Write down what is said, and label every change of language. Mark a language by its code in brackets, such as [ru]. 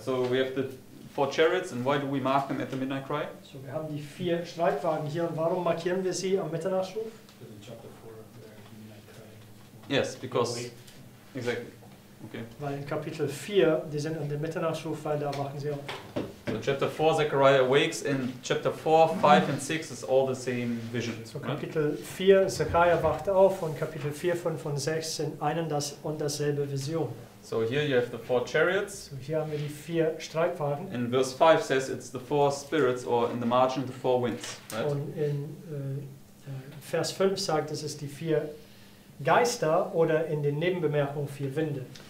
[en] so we have the four chariots, and why do we mark them at the midnight cry? [de] So wir haben die vier Streitwagen hier, und warum markieren wir sie am Mitternachtsruf? [en] Because in chapter 4, the midnight cry. Yes, because exactly. Okay. [de] Weil in Kapitel 4, die sind an dem Mitternachtsruf, weil da wachen sie auf. [en] So chapter 4, Zechariah awakes, and chapter 4, 5 and 6 is all the same vision. [de] So Kapitel 4, Zechariah wacht auf, und Kapitel 4, 5 und 6 sind einen das und dasselbe Vision. [en] So here you have the four chariots. [de] So hier haben wir die vier Streitwagen. [en] In verse 5 says it's the four spirits, or in the margin, the four winds. Right? [de] Und in Vers 5 sagt es, es die vier Geister, oder in den Nebenbemerkungen vier Winde.